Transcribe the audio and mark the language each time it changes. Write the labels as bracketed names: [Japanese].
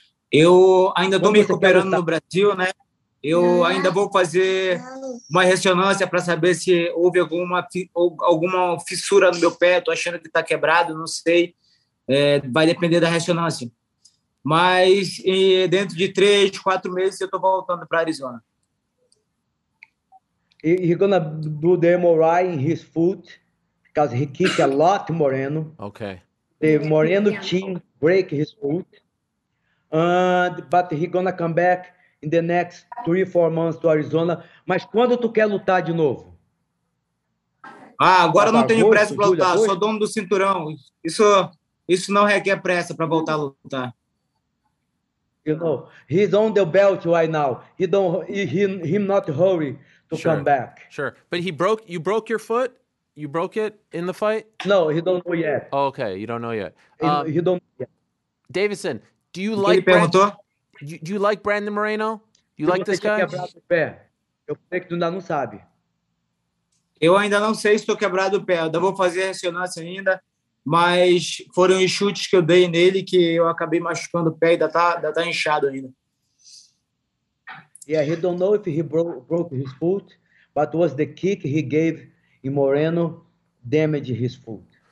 [Portuguese] Eu ainda estou me recuperando no Brasil, né? Eu ainda vou fazer uma ressonância para saber se houve alguma fissura no meu pé. Estou achando que está quebrado, não sei. Vai depender da ressonância. Mas dentro de 3-4 meses eu estou voltando para Arizona. [English] He's gonna do the MRI in his foot because he kicked a lot Moreno. Okay. The Moreno team break his foot. But he's gonna come back in the next 3-4 months to Arizona. [Portuguese] Mas quando tu quer lutar de novo? Agora não tenho pressa para lutar, sou dono do cinturão. Isso não requer pressa para voltar a lutar. [English] You know, he's on the belt right now. He's not hurry to come back. Sure. But you broke your foot? You broke it in the fight? No, he don't know yet. Oh, okay, you don't know yet. He don't know yet. Deiveson, do you like do you like Brandon Moreno? Do you like this guy? [Portuguese] Eu falei que tu ainda não sabe. Eu ainda não sei se estou quebrado o pé. Ainda vou fazer a ressonância ainda. Mas foram os chutes que eu dei nele que eu acabei machucando o pé e ainda tá inchado ainda. [English] Yeah, he don't know if he broke his foot, but was the kick he gave in Moreno damaged his foot.